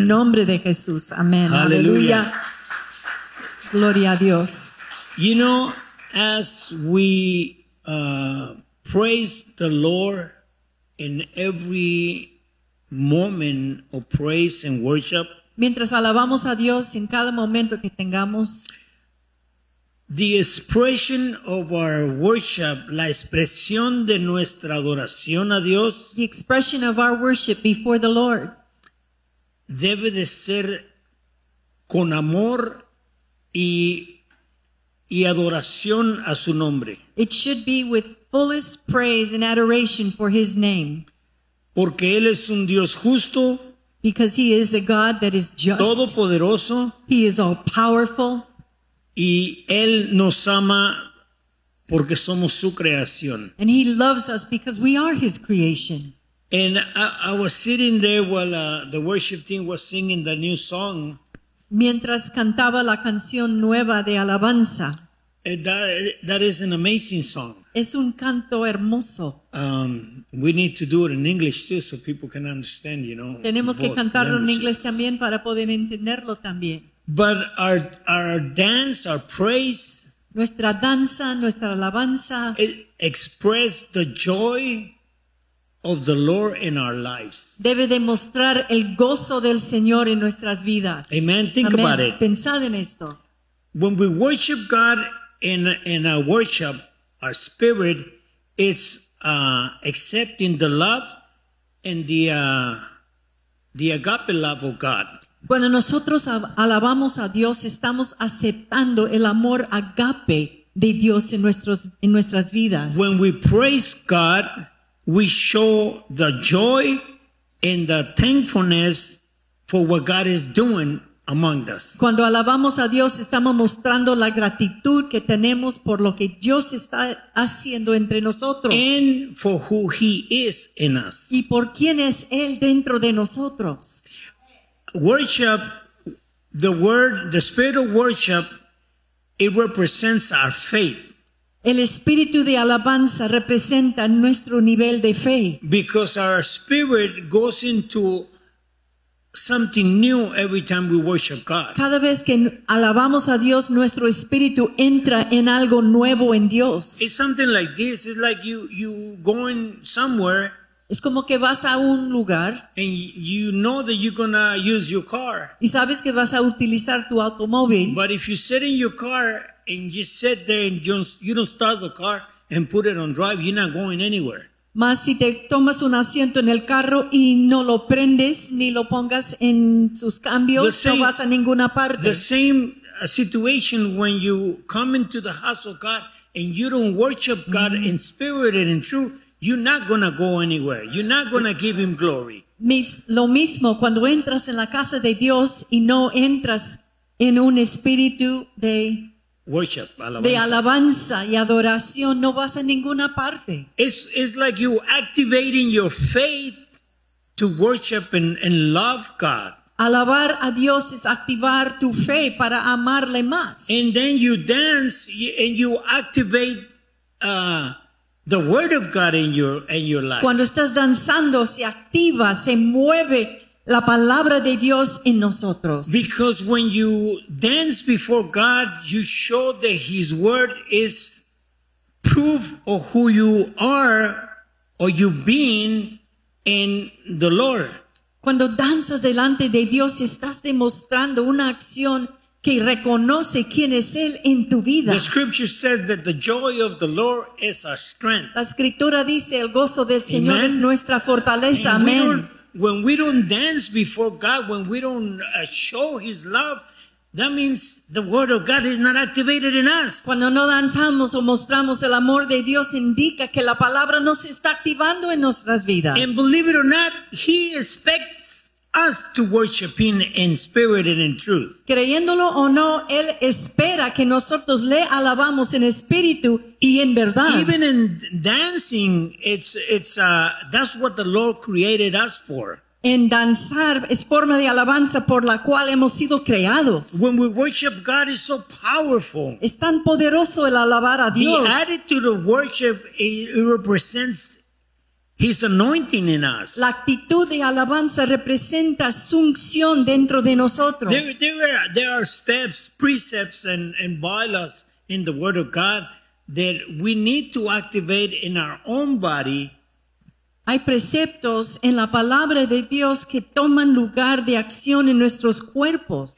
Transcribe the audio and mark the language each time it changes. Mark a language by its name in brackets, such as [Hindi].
[Spanish] En nombre de Jesús. Amen. [English] Hallelujah. [Spanish] Gloria a Dios. [English] You know, as we praise the Lord in every moment of praise and worship, [Spanish] mientras alabamos a Dios en cada momento que tengamos, [English] the expression of our worship, [Spanish] la expresión de nuestra adoración a Dios, [English] the expression of our worship before the Lord, [Spanish] debe de ser con amor y adoración a su nombre. [English] It should be with fullest praise and adoration for his name. [Spanish] Porque él es un Dios justo. [English] Because he is a God that is just. [Spanish] Todopoderoso. [English] He is all powerful. [Spanish] Y él nos ama porque somos su creación. [English] And he loves us because we are his creation. And I was sitting there while the worship team was singing the new song. [Spanish] Mientras cantaba la canción nueva de alabanza. [English] That is an amazing song. [Spanish] Es un canto hermoso. [English] We need to do it in English too, so people can understand, you know. [Spanish] Tenemos que cantarlo en inglés también para poder entenderlo también. [English] But our dance, our praise. [Spanish] Nuestra danza, nuestra alabanza. [English] It express the joy of the Lord in our lives. [Spanish] Debe demostrar el gozo del Señor en nuestras vidas. [English] Amen. Think Amen. About it. [Spanish] Pensad en esto. [English] When we worship God in our worship, our spirit, it's accepting the love and the agape love of God. [Spanish] Cuando nosotros alabamos a Dios, estamos aceptando el amor agape de Dios en nuestras vidas. [English] When we praise God, we show the joy and the thankfulness for what God is doing among us. [Spanish] Cuando alabamos a Dios, estamos mostrando la gratitud que tenemos por lo que Dios está haciendo entre nosotros. [English] And for who He is in us. [Spanish] Y por quién es Él dentro de nosotros. [English] Worship, the word, the spirit of worship, it represents our faith. [Spanish] El espíritu de alabanza representa nuestro nivel de fe. [English] Because our spirit goes into something new every time we worship God. [Spanish] Cada vez que alabamos a Dios, nuestro espíritu entra en algo nuevo en Dios. [English] It's something like this. It's like you going somewhere. [Spanish] Es como que vas a un lugar. [English] And you know that you're gonna use your car. [Spanish] Y sabes que vas a utilizar tu automóvil. [English] But if you sit in your car and you sit there and you don't start the car and put it on drive, you're not going anywhere. [Spanish] Mas si te tomas un asiento en el carro y no lo prendes ni lo pongas en sus cambios, [English] same, [Spanish] no vas a ninguna parte. [English] The same situation when you come into the house of God and you don't worship God in spirit and in truth. You're not going to go anywhere. You're not going to give Him glory. [Spanish] Lo mismo cuando entras en la casa de Dios y no entras en un espíritu de worship, alabanza. De alabanza y adoración, no vas a ninguna parte. [English] It's like you activating your faith to worship and love God. [Spanish] Alabar a Dios es activar tu fe para amarle más. [English] And then you dance and you activate the word of God in your life. [Spanish] Cuando estás danzando, se activa, se mueve la palabra de Dios en nosotros. [English] Because when you dance before God, you show that His word is proof of who you are or you've been in the Lord. [Spanish] Cuando danzas delante de Dios, estás demostrando una acción que reconoce quién es Él en tu vida. [English] The scripture says that the joy of the Lord is our strength. [Spanish] La escritura dice el gozo del Señor Amen. Es nuestra fortaleza. [English] And Amen. When we don't dance before God, when we don't show His love, that means the word of God is not activated in us. [Spanish] Cuando no danzamos o mostramos el amor de Dios, indica que la palabra no se está activando en nuestras vidas. [English] And believe it or not, He expects us to worship Him in spirit and in truth. [Spanish] Creyéndolo o no, Él espera que nosotros le alabamos en espíritu y en verdad. [English] Even in dancing, it's that's what the Lord created us for. [Spanish] En danzar es forma de alabanza por la cual hemos sido creados. [English] When we worship God, it's so powerful. [Spanish] Es tan poderoso el alabar a Dios. [English] The attitude of worship, it represents His anointing in us. [Spanish] La actitud de alabanza representa su unción dentro de nosotros. [English] There are steps, precepts, and bylaws in the Word of God that we need to activate in our own body. [Spanish] Hay preceptos en la palabra de Dios que toman lugar de acción en nuestros cuerpos.